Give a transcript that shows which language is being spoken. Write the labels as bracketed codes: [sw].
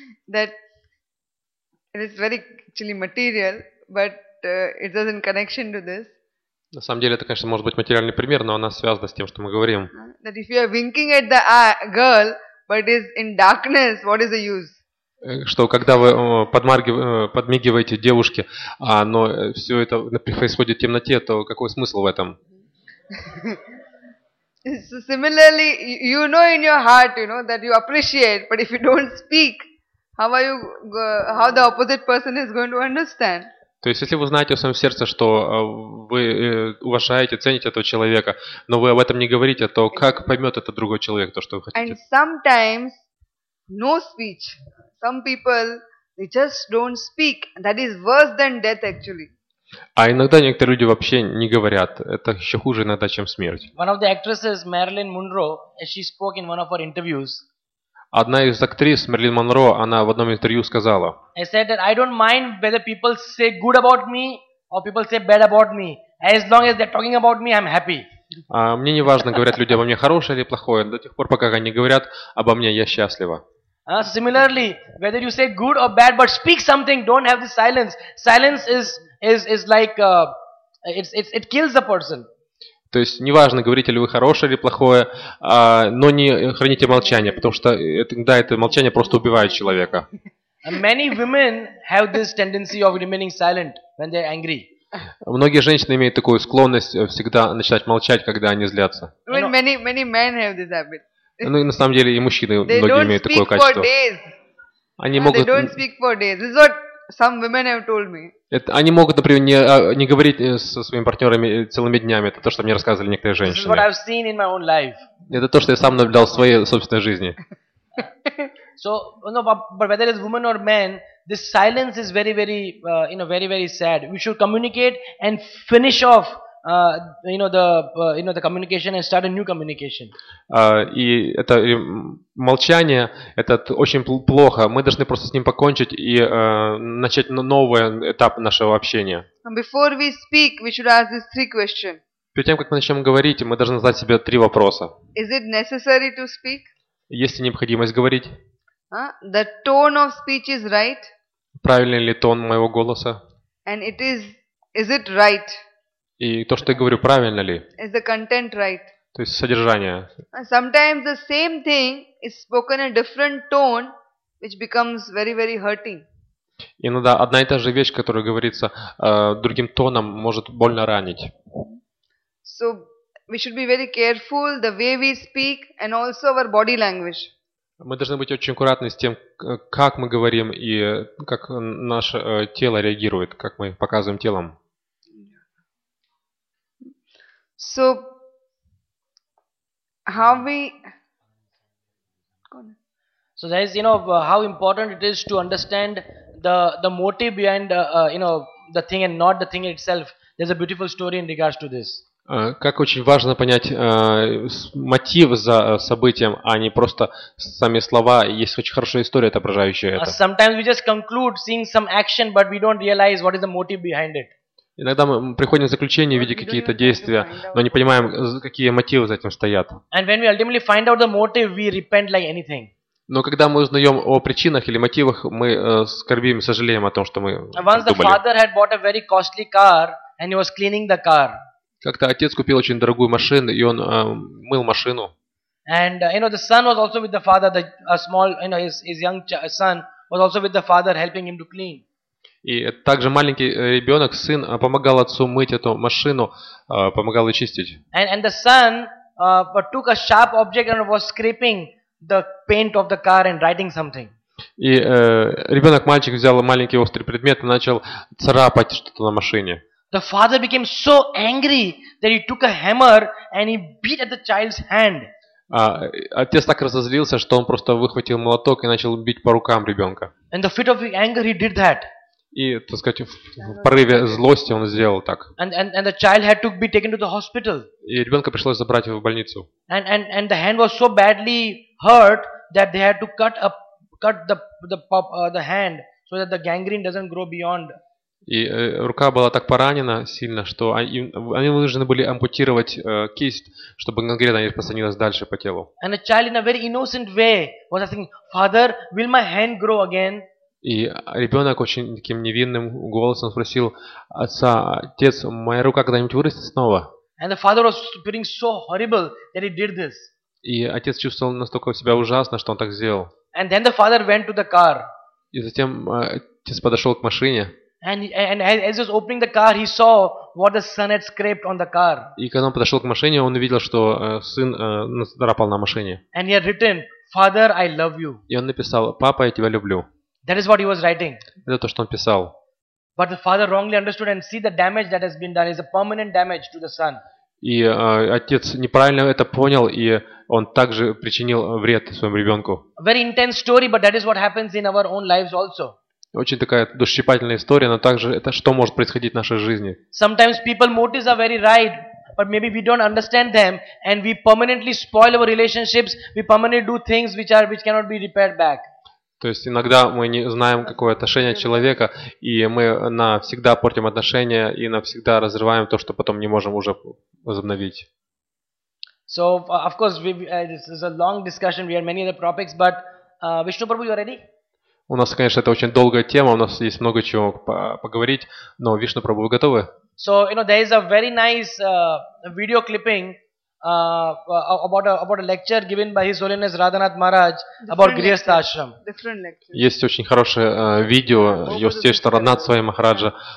[en] That it is very actually material, but it is in connection to this. [ru] На самом деле это, конечно, может быть материальный пример, но она связана с тем, что мы говорим. [en] That if you are winking at the girl, but it is in darkness, what is the use? [ru] что когда вы подмигиваете девушке, но все это происходит в темноте, то какой смысл в этом? [en] So similarly, you know in your heart, you know that you appreciate, but if you don't speak, how are you, how the opposite person is going to understand? [ru] То есть, если вы знаете в своем сердце, что вы уважаете, цените этого человека, но вы об этом не говорите, то как поймет этот другой человек то, что вы хотите? [en] And sometimes no speech. Some people they just don't speak. That is worse than death, actually. [ru] А иногда некоторые люди вообще не говорят. Это еще хуже иногда, чем смерть. [en] One of the actresses, Marilyn Monroe, she spoke in one of her interviews. [ru] Одна из актрис, Мэрилин Монро, она в одном интервью сказала: [en] I said that I don't mind whether people say good about me or people say bad about me. As long as they're talking about me, I'm happy. [ru] Мне не важно, говорят люди обо мне хорошее или плохое, до тех пор, пока они говорят обо мне, я счастлива. [en] Similarly, whether you say good or bad, but speak something, don't have the silence. Silence is like it kills the person. [ru] То есть, неважно, говорите ли вы хорошее или плохое, но не храните молчание, потому что иногда это молчание просто убивает человека. [en] Many women have this tendency of remaining silent when they're angry. [ru] Многие женщины имеют такую склонность всегда начинать молчать, когда они злятся. [en] Many men have this habit. [ru] Ну и на самом деле и мужчины многие имеют такое качество. [en] They don't speak for days. This is what some women have told me. [ru] Они могут, например, не говорить со своими партнерами целыми днями. Это то, что мне рассказывали некоторые женщины. [en] This is what I've seen in my own life. [ru] Это то, что я сам наблюдал в своей собственной жизни. [en] So, no, but whether it's woman or man, this silence is very, very, you know, very, very sad. We should communicate and finish off, the communication and start a new communication. [ru] И это молчание, это очень плохо. Мы должны просто с ним покончить и начать новый этап нашего общения. [en] Before we speak, we should ask these three questions. [ru] Перед тем, как мы начнем говорить, мы должны задать себе три вопроса. [en] Is it necessary to speak? [ru] Есть ли необходимость говорить? [en] The tone of speech is right. [ru] Правильный ли тон моего голоса? [en] And it is it right? [ru] И то, что я говорю, правильно ли? [en] Is the content right? [ru] То есть содержание. [en] Sometimes the same thing is spoken in a different tone, which becomes very, very hurting. [ru] Иногда одна и та же вещь, которая говорится другим тоном, может больно ранить. [en] So we should be very careful the way we speak and also our body language. [ru] Мы должны быть очень аккуратны с тем, как мы говорим и как наше тело реагирует, как мы показываем телом. [en] So, how we... So, there is, you know, how important it is to understand the motive behind, the thing and not the thing itself. There's a beautiful story in regards to this. [ru] Как очень важно понять мотив за событием, а не просто сами слова. Есть очень хорошая история, отображающая это. [en] Sometimes we just conclude seeing some action, but we don't realize what is the motive behind it. [ru] Иногда мы приходим к заключению в виде какие-то действия, но не понимаем, какие мотивы за этим стоят. [en] And when we ultimately find out the motive, we repent like anything. [ru] Но когда мы узнаем о причинах или мотивах, мы скорбим, сожалеем о том, что мы думали. [en] Once the father had bought a very costly car and he was cleaning the car. [ru] Как-то отец купил очень дорогую машину, и он мыл машину. [en] And the son was also with the father, his young son was also with the father, helping him to clean. [ru] И также маленький ребенок, сын, помогал отцу мыть эту машину, помогал ее чистить. [en] And the son took a sharp object and was scraping the paint of the car and writing something. [ru] И ребенок, мальчик, взял маленький острый предмет и начал царапать что-то на машине. [en] The father became so angry that he took a hammer and he beat at the child's hand. [ru] Отец так разозлился, что он просто выхватил молоток и начал бить по рукам ребенка. [en] And the fit of anger, he did that. [ru] И, так сказать, в порыве злости он сделал так. [en] And the child had to be taken to the hospital. [ru] И ребенка пришлось забрать его в больницу. [en] And the hand was so badly hurt that they had to cut the hand so that the gangrene doesn't grow beyond. [ru] И рука была так поранена сильно, что они вынуждены были ампутировать кисть, чтобы гангрена не распространилась дальше по телу. [en] And a child in a very innocent way was asking, "Father, will my hand grow again?" [ru] И ребенок очень таким невинным голосом спросил отца: "Отец, моя рука когда-нибудь вырастет снова?" [en] And the father was feeling so horrible that he did this. [ru] И отец чувствовал настолько себя ужасно, что он так сделал. [en] And then the father went to the car. [ru] И затем отец подошел к машине. [en] And as he was opening the car, he saw what the son had scraped on the car. [ru] И когда он подошел к машине, он увидел, что сын нацарапал на машине. [en] And he had written, "Father, I love you." [ru] И он написал: "Папа, я тебя люблю." [en] That is what he was writing. [ru] Это то, что он писал. [en] But the father wrongly understood and see the damage that has been done is a permanent damage to the son. [ru] И отец неправильно это понял, и он также причинил вред своему ребенку. [en] Very intense story, but that is what happens in our own lives also. [ru] Очень такая душещипательная история, но также это что может происходить в нашей жизни. [en] Sometimes people motives are very right, but maybe we don't understand them, and we permanently spoil our relationships. We permanently do things which cannot be repaired back. [ru] То есть иногда мы не знаем, какое отношение человека, и мы навсегда портим отношения и навсегда разрываем то, что потом не можем уже возобновить. [en] So, of course, this is a long discussion. We have many other topics, but Vishnu Prabhu, you are ready? [ru] У нас, конечно, это очень долгая тема. У нас есть много чего поговорить, но Вишну Прабху, вы готовы? [en] So, you know, there is a very nice video clipping about a lecture given by His Holiness Radhanath Maharaj about Grihastha Ashram. [ru] Есть очень хорошее видео Йостейшта Радхнатха Свами Махараджа.